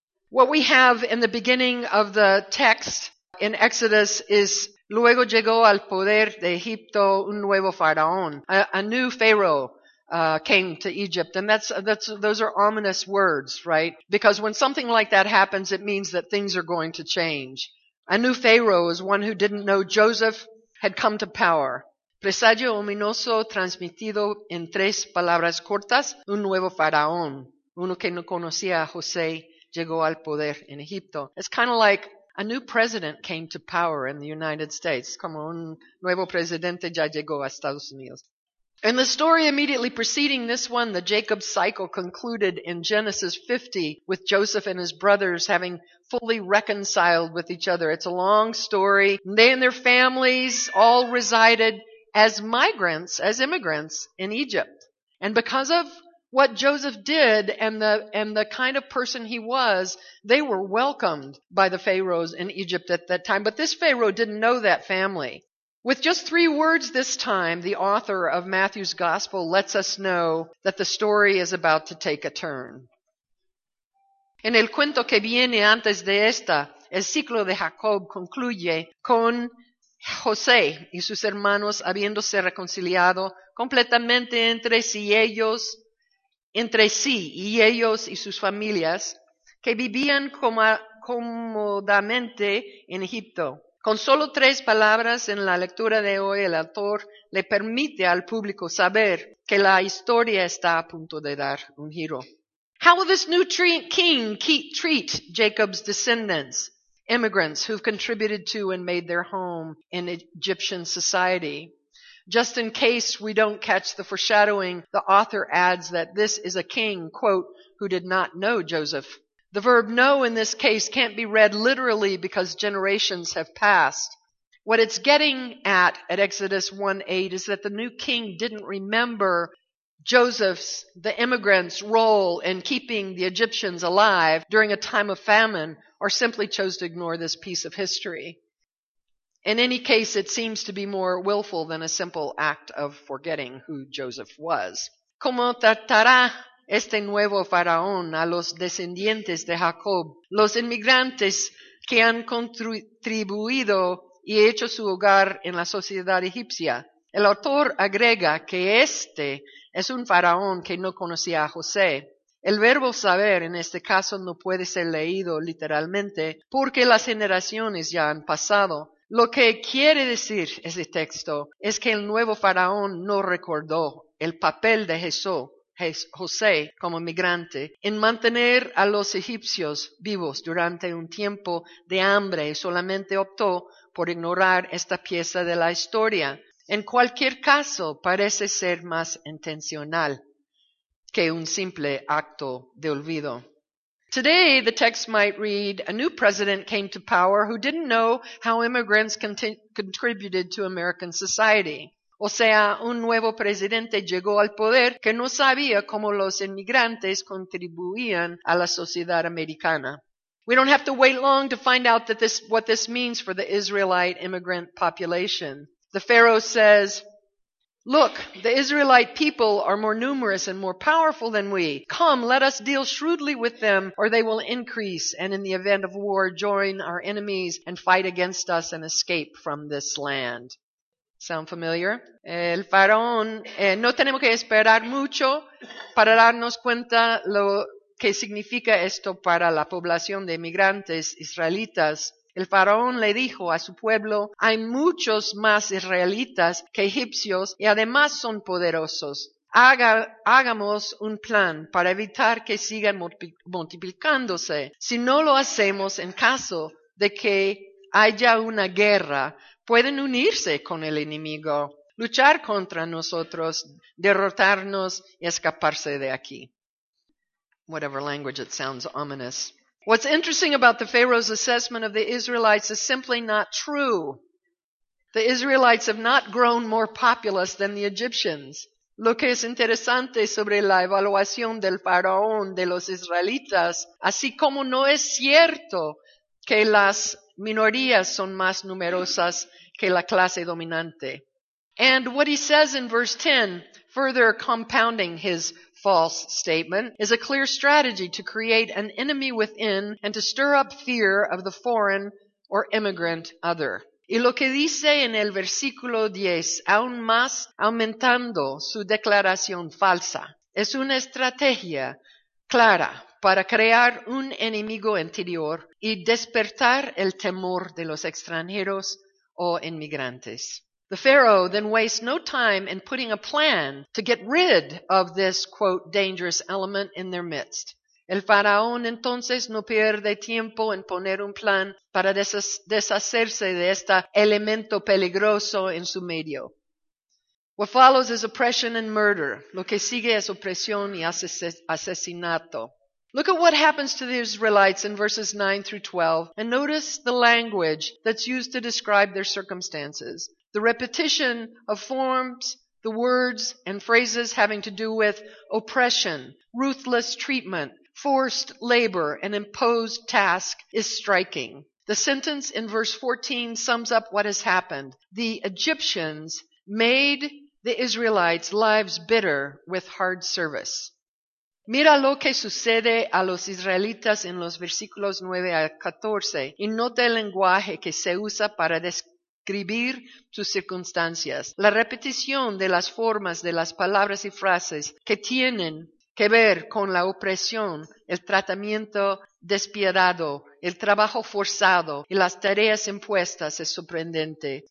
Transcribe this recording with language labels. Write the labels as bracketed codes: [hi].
[en] What we have in the beginning of the text in Exodus is [es] luego llegó al poder de Egipto un nuevo faraón, [en] a new pharaoh. Came to Egypt. And those are ominous words, right? Because when something like that happens, it means that things are going to change. A new pharaoh is one who didn't know Joseph had come to power. [es] Presagio ominoso transmitido en tres palabras cortas, un nuevo faraón, uno que no conocía a José, llegó al poder en Egipto. [en] It's kind of like a new president came to power in the United States, [es] como un nuevo presidente ya llegó a Estados Unidos. [en] And the story immediately preceding this one, the Jacob cycle, concluded in Genesis 50 with Joseph and his brothers having fully reconciled with each other. It's a long story. They and their families all resided as migrants, as immigrants in Egypt. And because of what Joseph did and the kind of person he was, they were welcomed by the pharaohs in Egypt at that time. But this pharaoh didn't know that family. With just three words this time, the author of Matthew's gospel lets us know that the story is about to take a turn. [es] En el cuento que viene antes de esta, el ciclo de Jacob concluye con José y sus hermanos habiéndose reconciliado completamente entre sí y ellos y sus familias que vivían cómodamente en Egipto. Con solo tres palabras en la lectura de hoy, el autor le permite al público saber que la historia está a punto de dar un giro. [en] How will this new king treat Jacob's descendants, immigrants who've contributed to and made their home in Egyptian society? Just in case we don't catch the foreshadowing, the author adds that this is a king, quote, who did not know Joseph. The verb know in this case can't be read literally because generations have passed. What it's getting at Exodus 1:8 is that the new king didn't remember Joseph's, the immigrant's, role in keeping the Egyptians alive during a time of famine, or simply chose to ignore this piece of history. In any case, it seems to be more willful than a simple act of forgetting who Joseph was. [es] ¿Cómo tratará este nuevo faraón a los descendientes de Jacob, los inmigrantes que han contribuido y hecho su hogar en la sociedad egipcia? El autor agrega que este es un faraón que no conocía a José. El verbo saber en este caso no puede ser leído literalmente porque las generaciones ya han pasado. Lo que quiere decir ese texto es que el nuevo faraón no recordó el papel de Jesús José como migrante en mantener a los egipcios vivos durante un tiempo de hambre y solamente optó por ignorar esta pieza de la historia. En cualquier caso, parece ser más intencional que un simple acto de olvido. [en] Today, the text might read, a new president came to power who didn't know how immigrants contributed to American society. [es] O sea, un nuevo presidente llegó al poder que no sabía cómo los inmigrantes contribuían a la sociedad americana. [en] We don't have to wait long to find out that what this means for the Israelite immigrant population. The Pharaoh says, look, the Israelite people are more numerous and more powerful than we. Come, let us deal shrewdly with them, or they will increase, and in the event of war, join our enemies and fight against us and escape from this land. Sound familiar? [es] El faraón, no tenemos que esperar mucho para darnos cuenta lo que significa esto para la población de inmigrantes israelitas. El faraón le dijo a su pueblo, hay muchos más israelitas que egipcios y además son poderosos. Hagamos un plan para evitar que sigan multiplicándose. Si no lo hacemos en caso de que haya una guerra, pueden unirse con el enemigo, luchar contra nosotros, derrotarnos y escaparse de aquí. [en] Whatever language it sounds ominous. What's interesting about the Pharaoh's assessment of the Israelites is simply not true. The Israelites have not grown more populous than the Egyptians. [es] Lo que es interesante sobre la evaluación del faraón de los israelitas, así como no es cierto que las minorías son más numerosas que la clase dominante. [en] And what he says in verse 10, further compounding his false statement, is a clear strategy to create an enemy within and to stir up fear of the foreign or immigrant other. [es] Y lo que dice en el versículo 10, aún más aumentando su declaración falsa, es una estrategia clara para crear un enemigo interior y despertar el temor de los extranjeros o inmigrantes. [en] The Pharaoh then wastes no time in putting a plan to get rid of this, quote, dangerous element in their midst. [es] El faraón entonces no pierde tiempo en poner un plan para deshacerse de este elemento peligroso en su medio. [en] What follows is oppression and murder. [es] Lo que sigue es opresión y asesinato. [en] Look at what happens to the Israelites in verses 9 through 12, and notice the language that's used to describe their circumstances. The repetition of forms, the words and phrases having to do with oppression, ruthless treatment, forced labor, and imposed task is striking. The sentence in verse 14 sums up what has happened. The Egyptians made the Israelites' lives bitter with hard service. [es] Mira lo que sucede a los israelitas en los versículos 9 al 14 y nota el lenguaje que se usa para describir sus circunstancias. La repetición de las formas de las palabras y frases que tienen que ver con la opresión, el tratamiento despiadado, el trabajo forzado y las tareas impuestas es sorprendente.